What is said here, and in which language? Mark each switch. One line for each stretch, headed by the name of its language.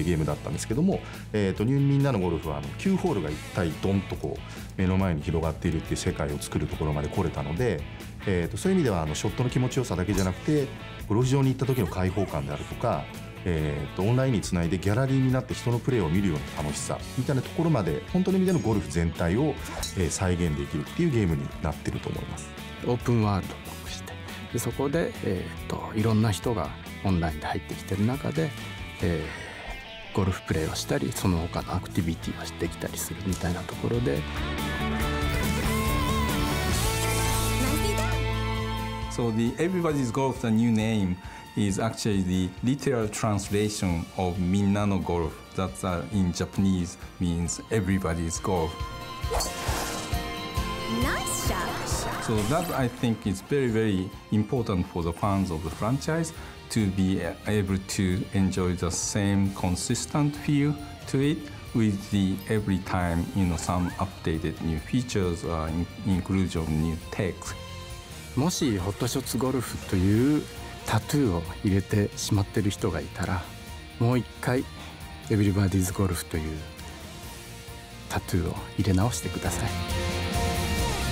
Japanese: ていうゲームだったんですけども、みんなのゴルフは9ホールが一体ドンとこう目の前に広がっているっていう世界を作るところまで来れたので、そういう意味ではショットの気持ちよさだけじゃなくてゴルフ場に行った時の開放感であるとか、オンラインにつないでギャラリーになって人のプレーを見るような楽しさみたいなところまで本当の意味でのゴルフ全体を、再現できるっていうゲームになってると思います。オープンワールドとしてでそこで、いろんな人がオンラインで入ってきてる中で、ゴルフプレーをしたりその他のアクティビティをしてきたりするみたいなところで
English: So the Everybody's Golf, the new name, is actually the literal translation of Minna no Golf. That in Japanese means Everybody's Golf. Nice shot! So that I think is very, very important for the fans of the franchise to be able to enjoy the same consistent feel to it with the every time, you know, some updated new features, inclusion of new text.
Japanese: もしホットショッツゴルフというタトゥーを入れてしまってる人がいたらもう一回エブリバディーズゴルフというタトゥーを入れ直してください。